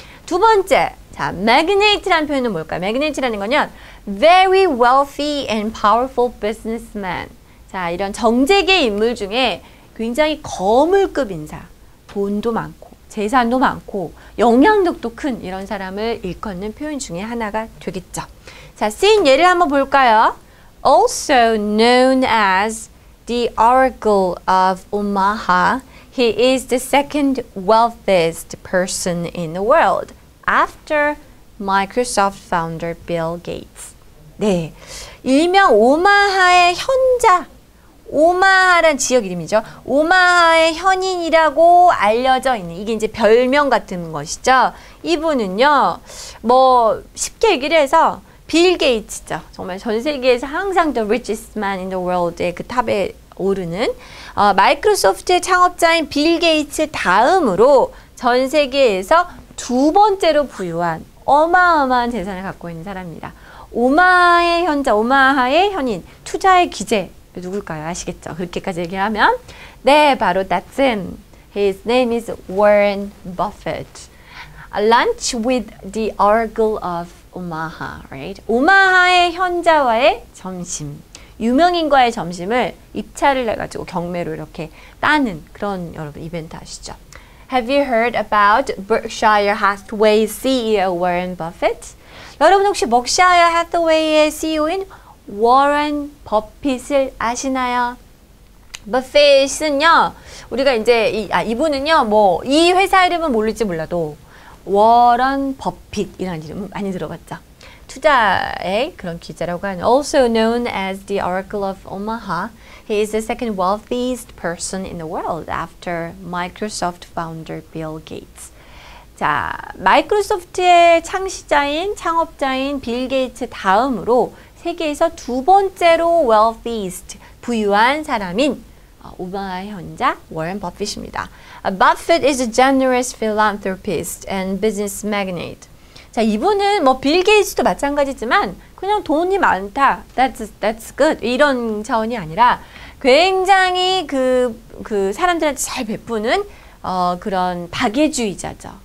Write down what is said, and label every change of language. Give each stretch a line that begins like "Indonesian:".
Korean: 두 번째, 자, magnate라는 표현은 뭘까요? magnate라는 건요,
English: very wealthy and powerful businessman.
Korean: 자, 이런 정재계 인물 중에 굉장히 거물급 인사, 돈도 많고 재산도 많고 영향력도 큰 이런 사람을 일컫는 표현 중에 하나가 되겠죠. 자, 쓰인 예를 한번 볼까요?
English: Also known as the Oracle of Omaha, he is the second wealthiest person in the world after Microsoft founder Bill Gates.
Korean: 네, 일명 오마하의 현자. 오마하란 지역 이름이죠. 오마하의 현인이라고 알려져 있는, 이게 이제 별명 같은 것이죠. 이분은요, 뭐 쉽게 얘기를 해서 빌 게이츠죠. 정말 전 세계에서 항상
English: the richest man in the world
Korean: 의 그 탑에 오르는 마이크로소프트의 창업자인 빌 게이츠 다음으로 전 세계에서 두 번째로 부유한 어마어마한 재산을 갖고 있는 사람입니다. 오마하의 현자, 오마하의 현인, 투자의 기재. 누굴까요? 아시겠죠? 그렇게까지 얘기하면 네, 바로
English: that's him. His name is Warren Buffett. A lunch with the Oracle of Omaha, right?
Korean: 오마하의 현자와의 점심, 유명인과의 점심을 입찰을 해가지고 경매로 이렇게 따는 그런 여러분 이벤트 아시죠?
English: Have you heard about Berkshire Hathaway CEO Warren Buffett?
Korean: 여러분 혹시 Berkshire Hathaway의 CEO인 워런 버핏을 아시나요? 버핏은요, 우리가 이제 이분은요, 뭐 이 회사 이름은 모를지 몰라도 워런 버핏이라는 이름은 많이 들어봤죠. 투자의 그런 기자라고 하는,
English: also known as the Oracle of Omaha, he is the second wealthiest person in the world after Microsoft founder Bill Gates.
Korean: 자, 마이크로소프트의 창시자인 창업자인 빌 게이츠 다음으로 세계에서 두 번째로 wealthiest, 부유한 사람인 오마하 현자 워런 버핏입니다.
English: Buffett is a generous philanthropist and business magnate.
Korean: 자, 이분은 뭐 빌 게이츠도 마찬가지지만 그냥 돈이 많다,
English: that's good
Korean: 이런 차원이 아니라 굉장히 그 사람들한테 잘 베푸는 그런 박애주의자죠.